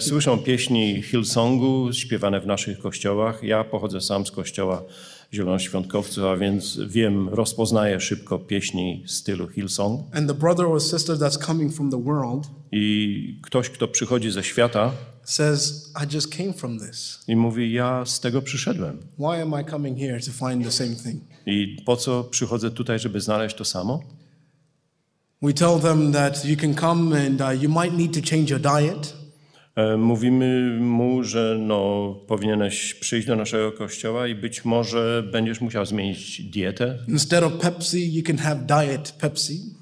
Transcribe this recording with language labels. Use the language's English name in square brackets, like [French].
[Polish] Słyszą pieśni Hillsongu śpiewane w naszych kościołach. Ja pochodzę sam z kościoła Zielonoświątkowców, a więc wiem, rozpoznaję szybko pieśni stylu Hillsong. [English] And the brother or sister that's coming from the world, [Polish] i ktoś, kto przychodzi ze świata, [English] says, I just came from this. [Polish] I mówi, ja z tego przyszedłem. [English] Why am I coming here to find the same thing? [Polish] I po co przychodzę tutaj, żeby znaleźć to samo? [English] We tell them that you can come and you might need to change your diet. [Polish] Mówimy mu, że no, powinieneś przyjść do naszego kościoła i być może będziesz musiał zmienić dietę. [English] Instead of Pepsi, you can have diet Pepsi.